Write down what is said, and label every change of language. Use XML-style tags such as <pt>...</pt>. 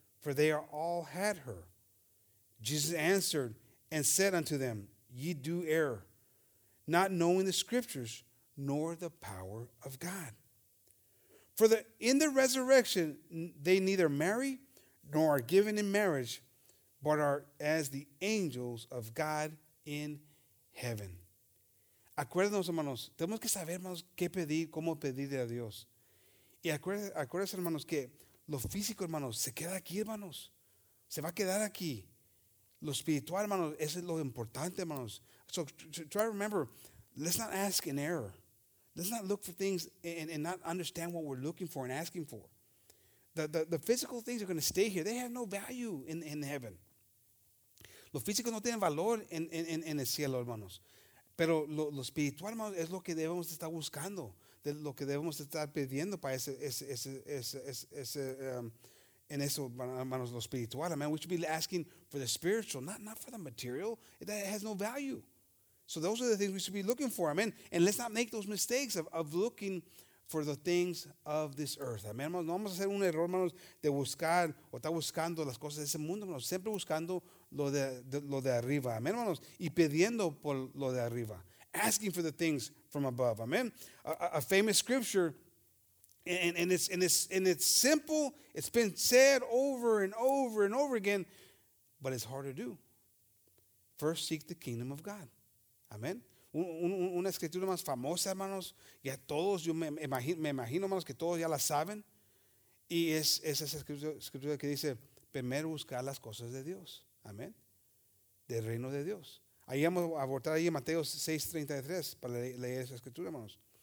<en>For they are all had her. Jesus answered and said unto them, ye do err, not knowing the scriptures, nor the power of God. For in the resurrection, they neither marry nor are given in marriage, but are as the angels of God in heaven.</en> <es>Acuérdense, hermanos, tenemos que saber, hermanos, qué pedir, cómo pedirle a Dios. Y acuérdense, hermanos, que lo físico, hermanos, se queda aquí, hermanos. Se va a quedar aquí. Lo espiritual, hermanos, eso es lo importante, hermanos.</es> <en>So try to remember, let's not ask in error. Let's not look for things and not understand what we're looking for and asking for. The physical things are going to stay here. They have no value in heaven.</en> <es>Lo físico no tiene valor en el cielo, hermanos. Pero lo espiritual, hermanos, es lo que debemos estar buscando, de lo que debemos estar pidiendo para ese en eso, hermanos, lo espiritual.</es> <en>Amen. We should be asking for the spiritual, not for the material. That has no value. So those are the things we should be looking for. Amen. And let's not make those mistakes of looking for the things of this earth. Amen.</en> <es>Hermanos, no vamos a hacer un error, hermanos, de buscar o estar buscando las cosas de ese mundo, hermanos. Siempre buscando lo de arriba. Amen, hermanos. Y pidiendo por lo de arriba.</es> <en>Asking for the things from above. Amen. A famous scripture, and it's simple. It's been said over and over and over again, but it's hard to do. First, seek the kingdom of God. Amen.</en> <es>Una escritura más famosa, hermanos, ya todos, yo me imagino, hermanos, que todos ya la saben, y es esa escritura que dice, primero buscar las cosas de Dios, amén, del reino de Dios. Ahí vamos a abortar ahí en Mateo 6:33 para leer esa escritura, hermanos.</es>